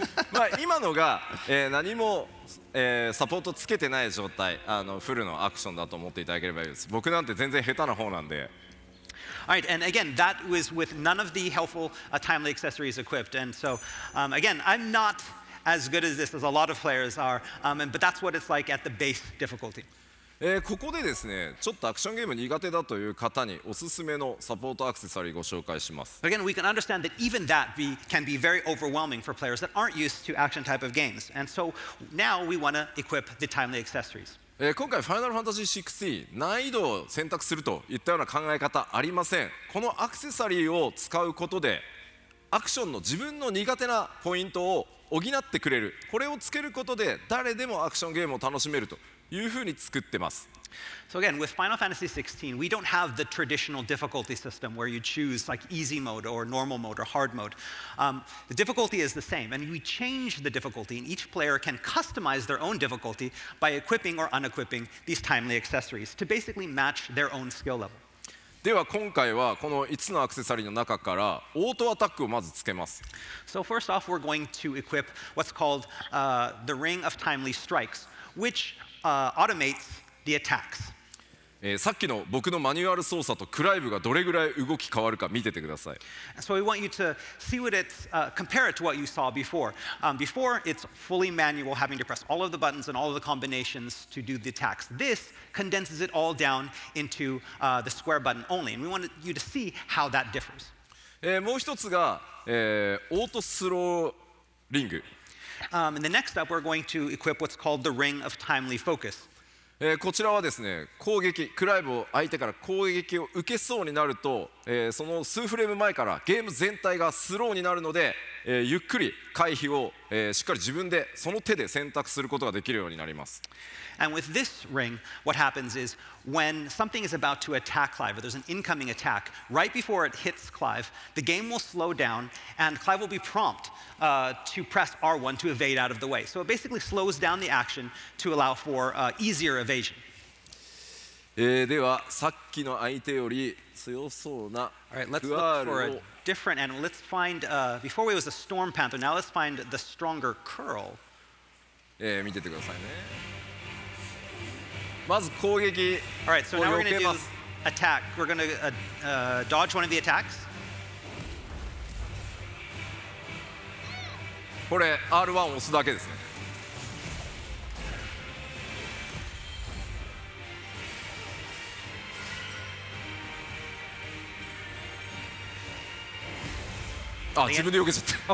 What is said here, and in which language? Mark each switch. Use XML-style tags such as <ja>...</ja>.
<ja>まあ今のが、何も、サポートつけてない状態、あのフルのアクションだと思っていただければいいです。僕なんて全然下手な方なんで。</ja> <en>Alright, and again, that was with none of the helpful timely accessories equipped. And so, again, I'm not as good as this as a lot of players are, but that's what it's like at the base difficulty.</en> <ja>ここでですね、ちょっとアクションゲーム苦手だという方におすすめのサポートアクセサリーをご紹介します。</ja> <en>Again, we can understand that even that can be very overwhelming for players that aren't used to action type of games. And so, now we want to equip the timely accessories.</en> <ja>今回 Final Fantasy XVI 難易度を選択するといったような考え方ありません。このアクセサリーを使うことでアクションの自分の苦手なポイントを補ってくれる。これをつけることで誰でもアクションゲームを楽しめるというふうに作ってます。</ja> <en>So again, with Final Fantasy XVI, we don't have the traditional difficulty system where you choose like easy mode or normal mode or hard mode. The difficulty is the same, and we change the difficulty, and each player can customize their own difficulty by equipping or unequipping these timely accessories to basically match their own skill level.</en> <ja>では今回はこの5つのアクセサリーの中からオートアタックをまずつけます。</ja> <en>So first off, we're going to equip what's called the Ring of Timely Strikes, which automates... The attacks.</en> <ja>さっきの僕のマニュアル操作とクライブがどれぐらい動き変わるか見ててください。</ja> <en>So we want you to see what it's, compare it to what you saw before. Before, it's fully manual, having to press all of the buttons and all of the combinations to do the attacks. This condenses it all down into the square button only. And we want you to see how that differs.</en> <ja>もう一つが、オートスローリング。</ja> <en>And the next up, we're going to equip what's called the Ring of Timely Focus.</en> <ja>こちらはですね、攻撃、クライブを相手から攻撃を受けそうになると、その数フレーム前からゲーム全体がスローになるので、ゆっくり回避を、しっかり自分でその手で選択することができるようになります。</ja> <en>And with this ring, what happens is when something is about to attack Clive, or there's an incoming attack, right before it hits Clive, the game will slow down and Clive will be prompt, to press R1 to evade out of the way. So it basically slows down the action to allow for, easier evasion.</en> <ja>ではさっきの相手より強そうなクアールを</ja> <en>different animal. Let's find, before we was a storm panther, now let's find the stronger curl.</en> <ja>見ててくださいね。まず攻撃を避けます。</ja> <en>All right, so now we're going to do attack. We're going to dodge one of the attacks.</en> <ja>これ R1 を押すだけですね。あ、自分で避けちゃった。</ja>